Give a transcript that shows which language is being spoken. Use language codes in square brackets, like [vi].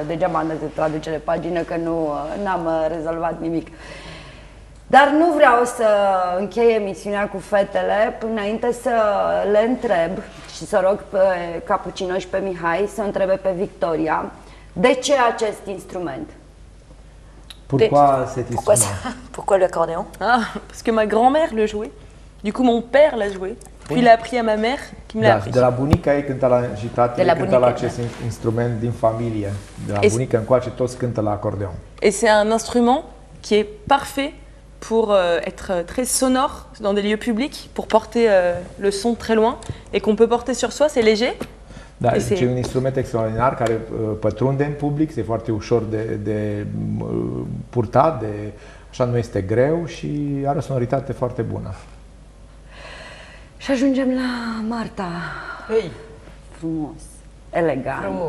[ro] Degeaba am dat de traducere pagină că nu am rezolvat nimic. Dar nu vreau să închei emisiunea cu fetele înainte să le întreb și să rog pe Cappuccino și pe Mihai să întrebe pe Victoria de ce acest instrument? [fr] Pourquoi cet instrument? Pourquoi le accordéon? Ah, parce que ma grand-mère le jouait. Du coup mon père l'a joué. Puis l'a appris à ma mère qui me l'a appris. [ro] De la bunica ei cânta la și tatăl ei cânta la acest instrument din familie. De la bunica încoace toți cântă la acordeon. [fr] Et c'est un instrument qui est parfait pour être très sonore dans des lieux publics, pour porter le son très loin et qu'on peut porter sur soi, c'est léger. [ro] Da, [fr] et c'est un instrument [ro] extraordinar care pătrunde în public, c'est foarte ușor de purtat, de așa nu este greu și are o sonoritate foarte bună. Și ajungem la Marta. Hei, frumos, elegant.